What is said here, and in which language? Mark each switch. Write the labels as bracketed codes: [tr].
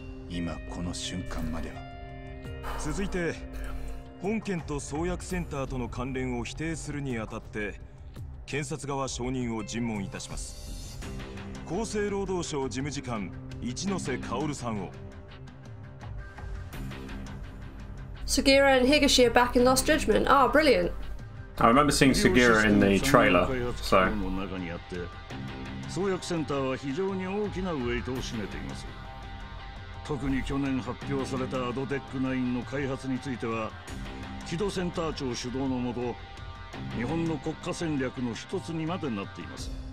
[ja] 今この瞬間までは。続いて、本件と創薬センターとの関連を否定するにあたって、検察側証人を尋問いたします。厚生労働省事務次官一ノ瀬薫さんを。 [en] Sugira and Higashi are back in Lost Judgment. Ah, brilliant. I remember seeing Sugira in the trailer, so. [ja] の中にあって、創薬センターは非常に大きなウェイトを占めています。特に去年発表されたアドテック9の開発については、木戸センター長主導のもと日本の国家戦略の一つにまでなっています。